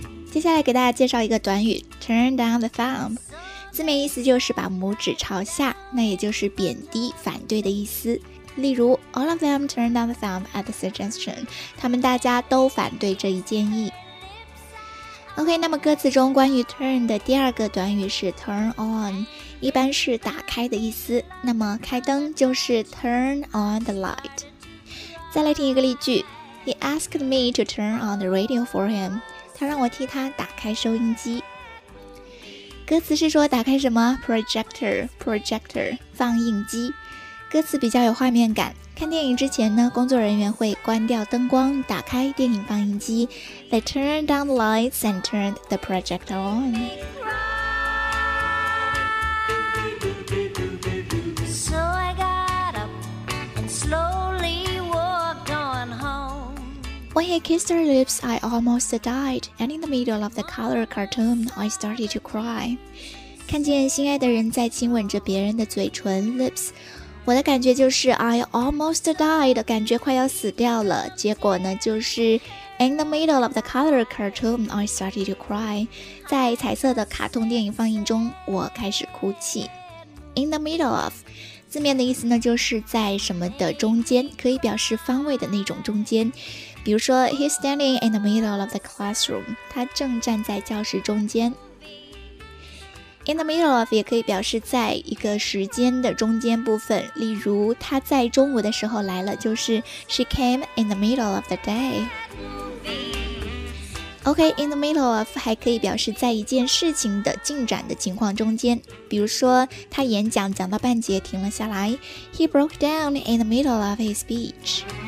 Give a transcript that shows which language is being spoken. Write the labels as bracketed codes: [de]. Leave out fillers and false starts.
[zh] 接下来给大家介绍一个短语 [en] turn down the thumb。 [zh] 字面意思就是把拇指朝下，那也就是贬低、反对的意思。 [en] 例如 All of them turned down the thumb at the suggestion， [zh] 他们大家都反对这一建议。 OK， 那么歌词中关于 turn 的第二个短语是 [en] turn on， [zh] 一般是打开的意思，那么开灯就是 [en] turn on the light。再来听一个例句， He asked me to turn on the radio for him， [zh] 他让我替他打开收音机。歌词是说打开什么？ projector 放映机。歌词比较有画面感，看电影之前呢，工作人员会关掉灯光，打开电影放映机。 [en] They turned down the lights and turned the projector on。 So I got up and slowly walked on home. When he kissed her lips, I almost died. And in the middle of the color cartoon, I started to cry. [zh] 看见心爱的人在亲吻着别人的嘴唇 lips，我的感觉就是 [en] I almost died， [zh] 感觉快要死掉了。结果呢，就是 [en] In the middle of the color cartoon I started to cry， [zh] 在彩色的卡通电影放映中我开始哭泣。 [en] In the middle of [zh] 字面的意思呢，就是在什么的中间，可以表示方位的那种中间。比如说 [en] He's standing in the middle of the classroom， [zh] 他正站在教室中间。 [en] In the middle of [zh] 也可以表示在一个时间的中间部分，例如她在中午的时候来了，就是 [en] She came in the middle of the day。 [zh] OK， [en] in the middle of [zh] 还可以表示在一件事情的进展的情况中间，比如说她演讲讲到半截停了下来， [en] He broke down in the middle of his speech。